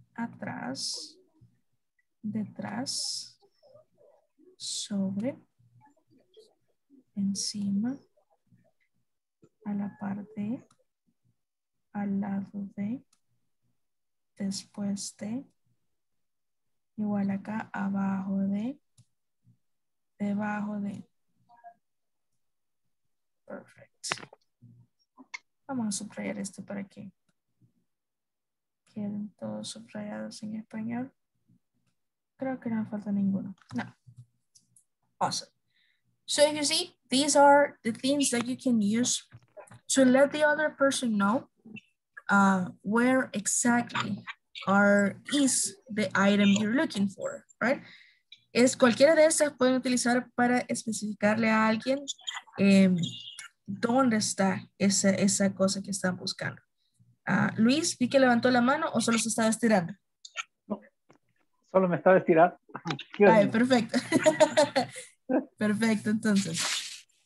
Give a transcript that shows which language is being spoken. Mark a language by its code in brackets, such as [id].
[es] Atrás, detrás, sobre, encima, a la par de, al lado de, después de, igual acá, abajo de, debajo de. Perfecto. Vamos a subrayar esto para que queden todos subrayados en español. Creo que no falta ninguno. No. Awesome. [en] So you see, these are the things that you can use to let the other person know where exactly is the item you're looking for, right? [es] Es cualquiera de estas pueden utilizar para especificarle a alguien dónde está esa cosa que están buscando. Luis, vi que levantó la mano o solo se estaba estirando. Solo me estaba estirando. Ay, perfecto. Perfecto, entonces.